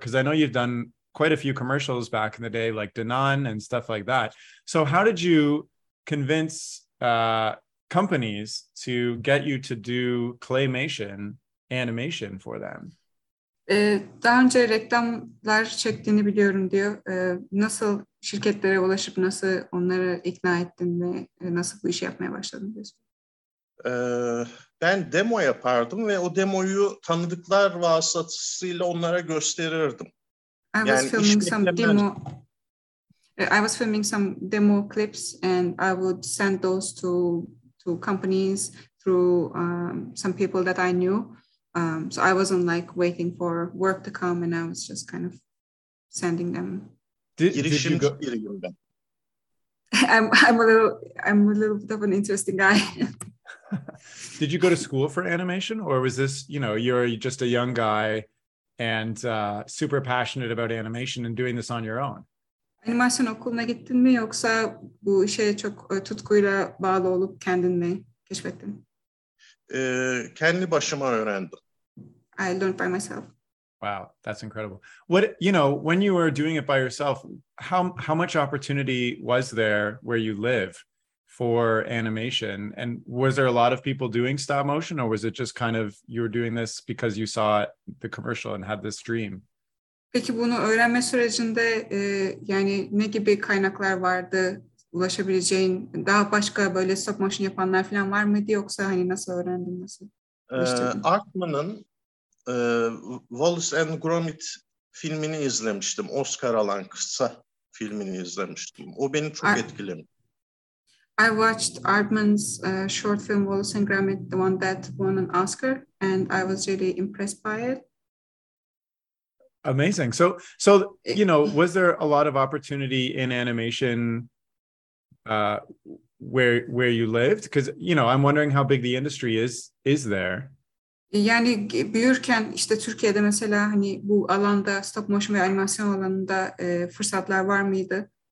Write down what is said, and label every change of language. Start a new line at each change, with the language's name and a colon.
English: Because I know you've done quite a few commercials back in the day, like Danone and stuff like that. So how did you convince companies to get you to do claymation animation for them?
Turkish: Daha önce reklamlar çektiğini biliyorum diyor. Nasıl şirketlere ulaşıp nasıl onları ikna ettin ve nasıl bu işi yapmaya başladın diyor. Ben demo yapardım ve o demoyu tanıdıklar vasıtasıyla onlara gösterirdim.
English: I was filming some demo clips and I would send those to companies through some people that I knew. So I wasn't like waiting for work to come and I was just kind of sending them. I'm a little bit of an interesting guy. Did you go to school for animation or was this, you know, you're just a young guy and super passionate about animation and doing this on your own?
Turkish: Animasyon okuluna gittin mi yoksa bu işe çok tutkuyla bağlı olup kendin mi keşfettin? Kendi başıma öğrendim.
English: I learned by myself. Wow, that's incredible. What, you know, when you were doing it by yourself, how much opportunity was there where you live for animation? And was there a lot of people doing stop motion or was it just kind of you were doing this because you saw the commercial and had this dream?
Turkish: Peki bunu öğrenme sürecinde yani ne gibi kaynaklar vardı ulaşabileceğin? Daha başka böyle stop motion yapanlar falan var mıydı yoksa hani nasıl öğrendin, nasıl? Artman'ın Wallace and Gromit filmini izlemiştim. Oscar alan kısa filmini izlemiştim. O beni çok etkilemişti.
English: I watched Aardman's short film Wallace and Gromit, the one that won an Oscar, and I was really impressed by it. Amazing. So you know, was there a lot of opportunity in animation where you lived? Because, you know, I'm wondering how big the industry is there.
Turkish: Yani büyürken işte Türkiye'de mesela hani bu alanda stop motion ve animasyon alanında fırsatlar var mıydı?